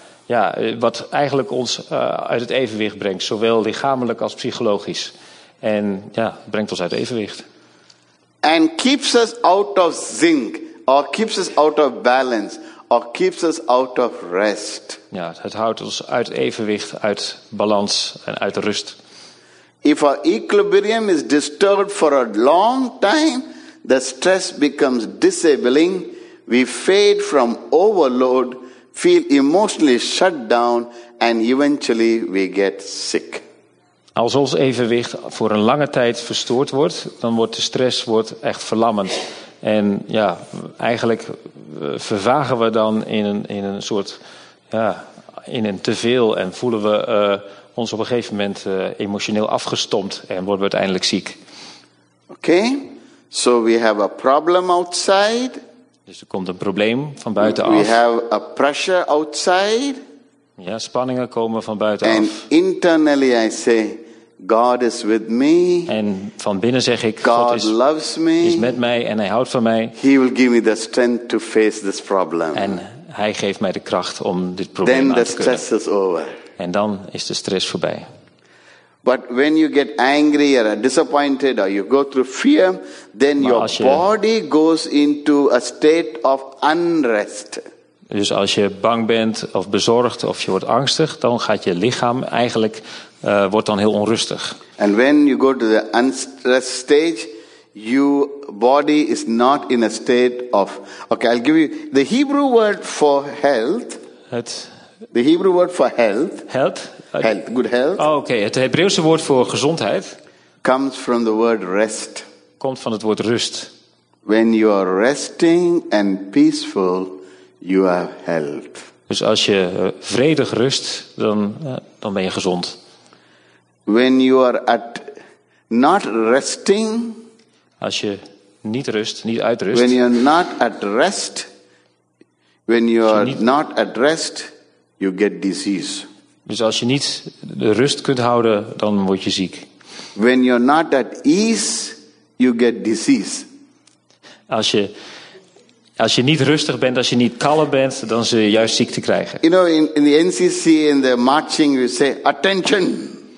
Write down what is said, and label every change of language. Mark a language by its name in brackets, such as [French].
[Dutch] Ja, wat eigenlijk ons uit het evenwicht brengt, zowel lichamelijk als psychologisch. En ja, brengt ons uit evenwicht. [English] And keeps us out of zinc, or keeps us out of balance, or keeps us out of rest. [Dutch] Ja, het houdt ons uit evenwicht, uit balans en uit rust. [English] If our equilibrium is disturbed for a long time, the stress becomes disabling. We fade from overload. Feel emotionally shut down and eventually we get sick. [Dutch] Als ons evenwicht voor een lange tijd verstoord wordt, dan wordt de stress wordt echt verlammend. En ja, eigenlijk vervagen we dan in een soort ja, in een teveel en voelen we ons op een gegeven moment emotioneel afgestompt en worden we uiteindelijk ziek. [English] Okay. So we have a problem outside. [Dutch] Dus er komt een probleem van buitenaf. [English] We have a pressure outside. [Dutch] Ja, spanningen komen van buitenaf. [English] And internally I say, God is with me. [Dutch] En van binnen zeg ik, [English] God loves me. [Dutch] Is met mij en hij houdt van mij. [English] He will give me the strength to face this problem. [Dutch] En hij geeft mij de kracht om dit probleem aan te kunnen. [English] Then the stress is over. [Dutch] En dan is de stress voorbij. [English] But when you get angry or disappointed or you go through fear, then your body goes into a state of unrest. [Dutch] Dus als je bang bent of bezorgd of je wordt angstig, dan gaat je lichaam eigenlijk wordt dan heel onrustig. [English] And when you go to the unstressed stage, your body is not in a state of. Okay, I'll give you the Hebrew word for health. The Hebrew word for health. Health. Health, good health. Oh, okay. [Dutch] Het Hebreeuwse woord voor gezondheid [English] comes from the word rest. [Dutch] Komt van het woord rust. [English] When you are resting and peaceful, you have health. [Dutch] Dus als je vredig rust, dan ben je gezond. [English] When you are at not resting, [Dutch] als je niet rust, niet uitrust. [English] When you are not at rest, when you are not at rest, you get disease. [Dutch] Dus als je niet de rust kunt houden, dan word je ziek. [English] When you're not at ease, you get disease. [Dutch] Als je niet rustig bent, als je niet kalm bent, dan zul je juist ziekte krijgen. [English] You know, in the NCC, in the marching, you say, attention.